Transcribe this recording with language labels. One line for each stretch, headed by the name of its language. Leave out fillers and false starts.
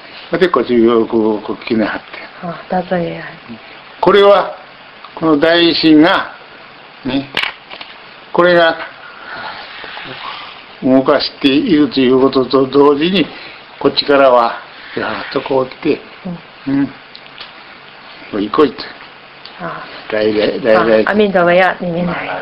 Chinese: 我的国就有国国旗呢，哈。啊，到这里。
Japanese: これはこの大心がね、これが動かしているということと同時に、こっちからはやっとこう来て、うん、もう行こいと。
Chinese: 啊，来，阿弥陀佛，要你们来。